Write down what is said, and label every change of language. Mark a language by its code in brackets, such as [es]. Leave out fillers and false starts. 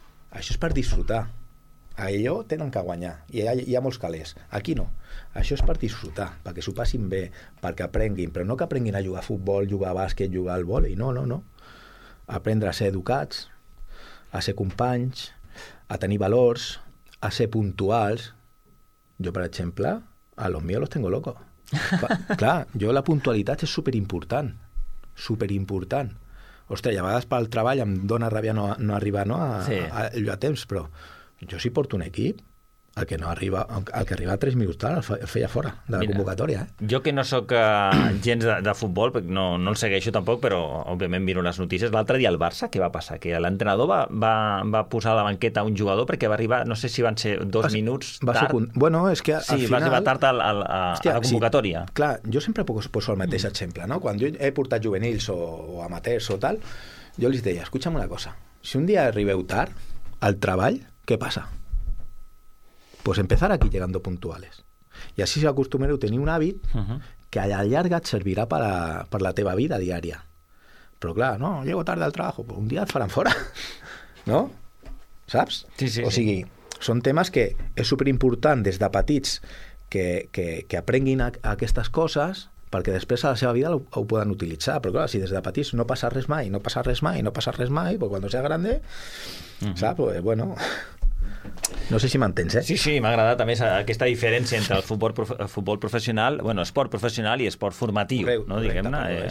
[ca] Això és per disfrutar. [es] A ello [ca] tenen que guanyar. I hi ha molts calés. Aquí no. Això és per disfrutar, perquè s'ho passin bé, perquè aprenguin. Però no que aprenguin a jugar a futbol, jugar a bàsquet, jugar al vòlei. No. Aprendre a ser educats, a ser companys, a tenir valors, a ser puntuals. Jo, per exemple, [es] a los míos los tengo locos. [ca] Clar, jo la puntualitat és superimportant. Superimportant. Ostres, a vegades pel treball em dona ràbia no arribar, no, a temps, però jo si porto un equip, el que no arriba, el que arriba a 3 minuts tard, el feia fora de la convocatòria. Jo que no sóc gens de futbol, no el segueixo tampoc, però òbviament miro les notícies. L'altre dia al Barça, què va passar? Que l'entrenador va posar a la banqueta un jugador perquè va arribar, no sé si van ser minuts tard. Bueno, és que al final... Sí, va arribar tard a la convocatòria. Sí, clar, jo sempre poso el mateix exemple, no? Quan jo he portat juvenils o amateurs o tal, jo els deia, escucha'm una cosa, si un dia arribeu tard al treball, què passa? [es] Pues empezar aquí llegando puntuales. Y así se acostumbreu a tener un hábit que a la llarga et servirá para [ca] la teva vida diaria. [es] Pero claro, no, llego tarde al trabajo, pues un día [ca] et faran fora. ¿No? ¿Saps? Sí, sí. O sigui, sí. [es] Son temas que es súper importante desde petits [ca] que aprenguin a aquestes coses perquè després a la seva vida ho poden utilitzar. Però, clar, si des de petits no passa res mai, no passa res mai, no passa res mai, [es] pues cuando sea grande, [ca] saps? Pues, bueno... No sé si m'entens, eh? Sí, sí, m'ha agradat, a més, aquesta diferència entre el futbol, futbol professional, bueno, esport professional i esport formatiu, no, diguem-ne.